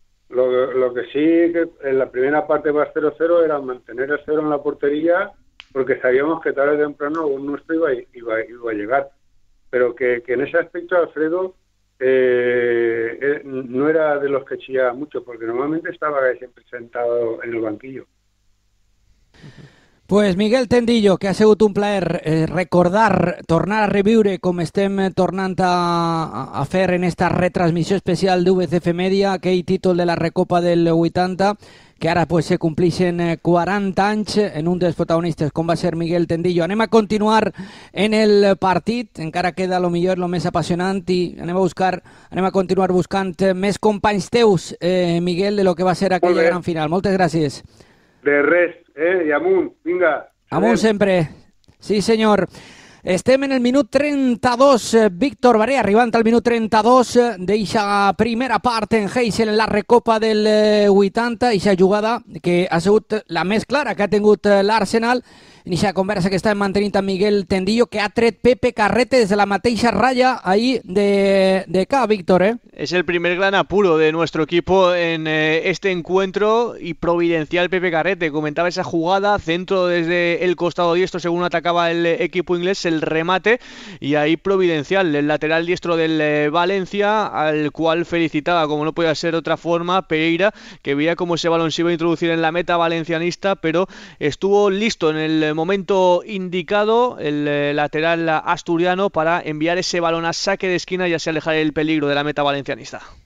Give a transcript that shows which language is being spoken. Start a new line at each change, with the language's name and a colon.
Spanish: Lo que sí, que en la primera parte va 0-0, era mantener el cero en la portería, porque sabíamos que tarde o temprano un nuestro iba a llegar. Pero que en ese aspecto, Alfredo, no era de los que chillaba mucho, porque normalmente estaba siempre sentado en el banquillo.
Catalan: Pues Miguel Tendillo, que ha sigut un plaer recordar, tornar a reviure com estem tornant a fer en esta retransmissió especial d'VCF Media, aquell títol de la Recopa del 80, que ara pues, se compleixen 40 anys en un dels protagonistes, com va ser Miguel Tendillo. Anem a continuar en el partit, encara queda lo millor, lo més apassionant, i anem a continuar buscant més companys teus, Miguel, de lo que va ser aquella gran final. Moltes gràcies. De res. I amunt, vinga. Amunt sempre. Sí, senyor. Estem en el minut 32. Víctor Baré, arribant al minut 32, d'eixa primera part en Heysel, en la Recopa del 80, eixa jugada que ha sigut la més clara que ha tingut l'Arsenal, en eixa conversa que estàvem mantenint amb Miguel Tendillo, que ha tret Pepe Carrete des de la mateixa ratlla ahir de K, Víctor,
Spanish: Es el primer gran apuro de nuestro equipo en este encuentro y providencial Pepe Carrete. Comentaba esa jugada, centro desde el costado diestro según atacaba el equipo inglés, el remate y ahí providencial. El lateral diestro del Valencia, al cual felicitaba, como no podía ser de otra forma, Pereira, que veía cómo ese balón se iba a introducir en la meta valencianista, pero estuvo listo en el momento indicado el lateral asturiano para enviar ese balón a saque de esquina y así alejar el peligro de la meta valencianista.